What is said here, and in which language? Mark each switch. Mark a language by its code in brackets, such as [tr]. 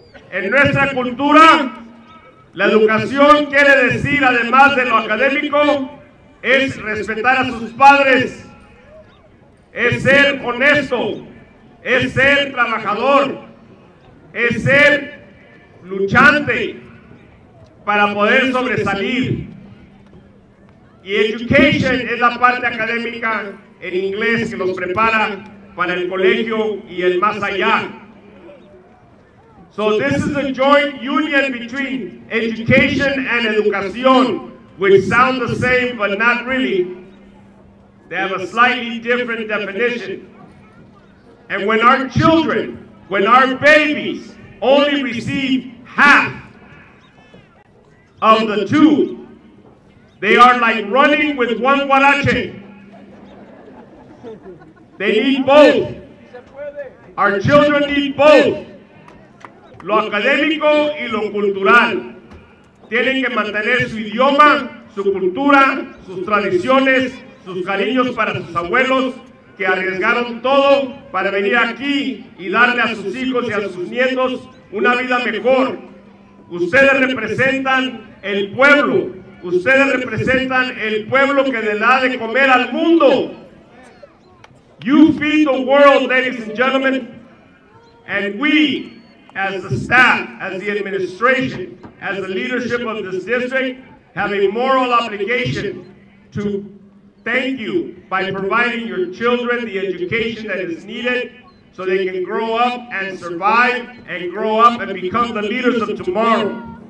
[es] En nuestra cultura, la educación quiere decir, además de lo académico, es respetar a sus padres, es ser honesto, es ser trabajador, es ser luchante para poder sobresalir. Y education es la parte académica en inglés que los prepara para el colegio y el más allá. [en] So this is a joint union between education and educación, which sound the same, but not really. They have a slightly different definition. And when our children, when our babies only receive half of the two, they are like running with one huarache. They need both. Our children need both. [es] Lo académico y lo cultural. Tienen que mantener su idioma, su cultura, sus tradiciones, sus cariños para sus abuelos, que arriesgaron todo para venir aquí y darle a sus hijos y a sus nietos una vida mejor. Ustedes representan el pueblo. Ustedes representan el pueblo que le da de comer al mundo. [en] You feed the world, ladies and gentlemen. And we, as the staff, as the administration, as the leadership of this district, have a moral obligation to thank you by providing your children the education that is needed so they can grow up and survive and grow up and become the leaders of tomorrow.